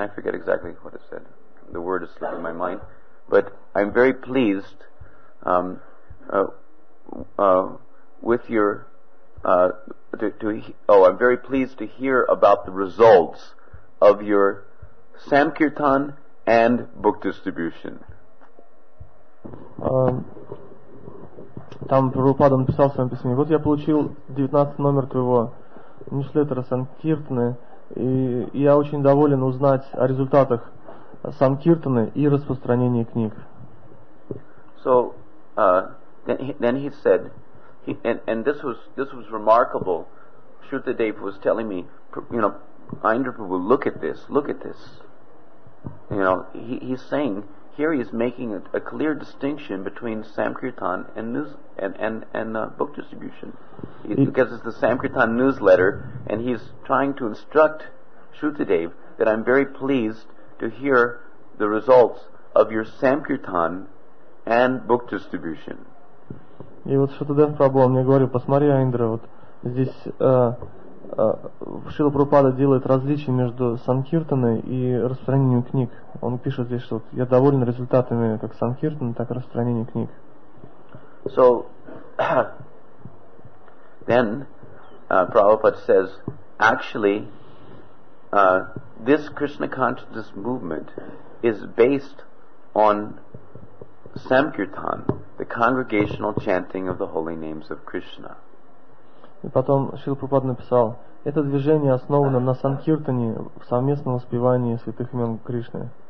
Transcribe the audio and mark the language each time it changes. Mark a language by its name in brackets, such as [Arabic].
[English] I forget exactly what it said. The word is slipping my mind. But I'm very pleased with your I'm very pleased to hear about the results of your Samkirtan and book distribution. [Russian] Там Прабхупада написал в своем письме. Вот я получил 19 номер твоего ньюслеттера Санкиртаны, и я очень доволен узнать о результатах Санкиртаны и распространении книг. [English] So then he said, and this was remarkable. Shrutadev was telling me, you know, Indra Prabhu, look at this, look at this. You know, he's saying he here he's making a clear distinction between Samkirtan and news and book distribution. Because it's the Samkirtan newsletter, and he's trying to instruct Shrutadev that I'm very pleased to hear the results of your Samkirtan and book distribution. [Russian] И вот Шрутадев Прабху мне говорил, посмотри, Индра, вот здесь Шрила Прабхупада делает различие между Санкиртаной и распространением книг. Он пишет здесь, что вот, я доволен результатами как Санкиртаны, так и распространения книг. [English] So, then, Prabhupada says, actually, this Krishna consciousness movement is based on Samkirtan, the congregational chanting of the holy names of Krishna. [Russian] И потом Шрила Прабхупада написал, это движение основано на санкиртане, в совместном воспевании святых имен Кришны.